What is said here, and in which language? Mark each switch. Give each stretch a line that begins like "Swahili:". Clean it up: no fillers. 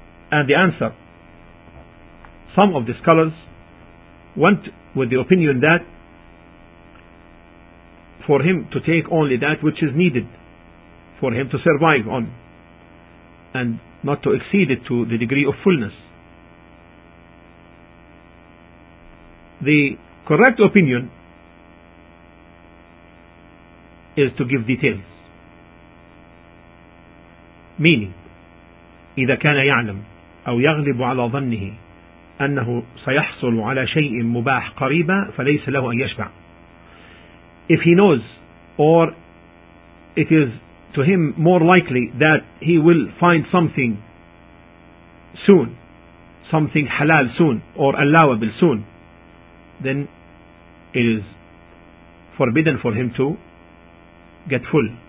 English: And the answer, some of the scholars went with the opinion that for him to take only that which is needed for him to survive on, and not to exceed it to the degree of fullness. The correct opinion is to give details, meaning
Arabic: إذا كان يعلم أو يغلب على ظنه أنه سيحصل على شيء مباح قريبا فليس له أن يشبع.
English: If he knows, or it is to him more likely that he will find something soon, something halal soon, or allowable soon, then it is forbidden for him to get full.